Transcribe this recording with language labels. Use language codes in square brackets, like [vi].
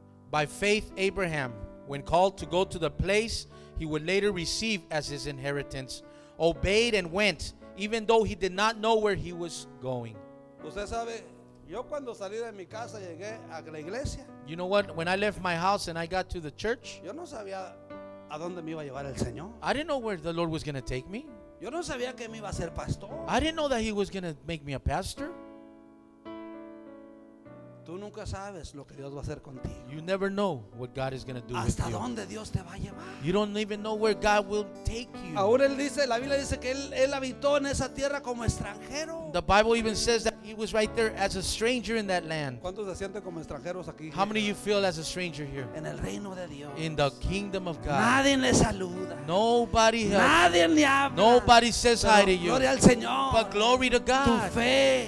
[en] By faith, Abraham, when called to go to the place he would later receive as his inheritance, obeyed and went, even though he did not know where he was going. [es] Usted sabe, yo cuando salí de mi casa llegué a la iglesia. [en] You know what? When I left my house and I got to the church, [es] yo no sabía. ¿A dónde me iba a llevar el Señor? [en] I didn't know where the Lord was going to take me. [es] Yo no sabía que me iba a ser pastor. [en] I didn't know that he was going to make me a pastor. [es] Tú nunca sabes lo que Dios va a hacer contigo. [en] You never know what God is going to do [es] hasta [en] with you. [es] ¿Hasta dónde Dios te va a llevar? [en] You don't even know where God will take you. [es] Ahora él dice, la Biblia dice que él habitó en esa tierra como extranjero. [en] The Bible even says that he was right there as a stranger in that land. [es] ¿Cuántos se sienten como extranjeros aquí? [en] How many of you feel as a stranger here? [es] En el reino de Dios. [en] In the kingdom of God. [es] Nadie le saluda. [en] Nobody helps. [es] Nadie le habla. [en] Nobody says [es] pero [en] hi to you. [es] Gloria al Señor. [en] But glory to God. [es] Tu fe.